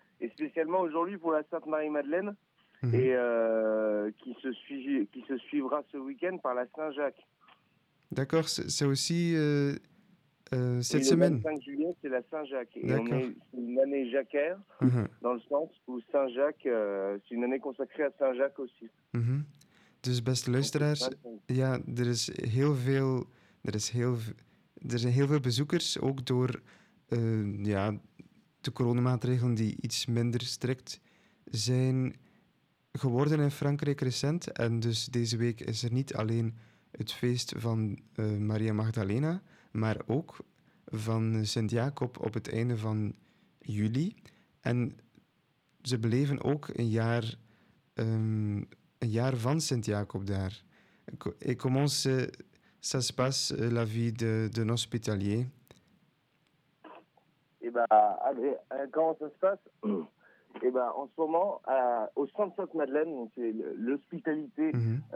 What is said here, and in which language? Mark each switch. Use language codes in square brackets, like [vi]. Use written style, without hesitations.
[fr] Et spécialement aujourd'hui pour la Sainte-Marie-Madeleine, mm-hmm. et qui se suivra ce week-end par la Saint-Jacques. D'accord, c'est aussi cette semaine. Le 25 juillet, c'est la Saint-Jacques. Et on est une année jacquaire, mm-hmm. dans le sens où Saint-Jacques, c'est une année consacrée à Saint-Jacques aussi. Mm-hmm. [nl] Dus beste luisteraars, ja, er zijn heel veel bezoekers, ook door de coronamaatregelen die iets minder strikt zijn geworden in Frankrijk recent. En dus deze week is er niet alleen het feest van Maria Magdalena, maar ook van Sint Jacob op het einde van juli. En ze beleven ook een jaar van Sint Jacob daar. [fr] Et comment ça se passe la vie d'un hospitalier? Eh bien, allez, comment ça se passe? Eh bien, en ce moment, au Sainte-Sainte-Madeleine, c'est l'hospitalité, mm-hmm.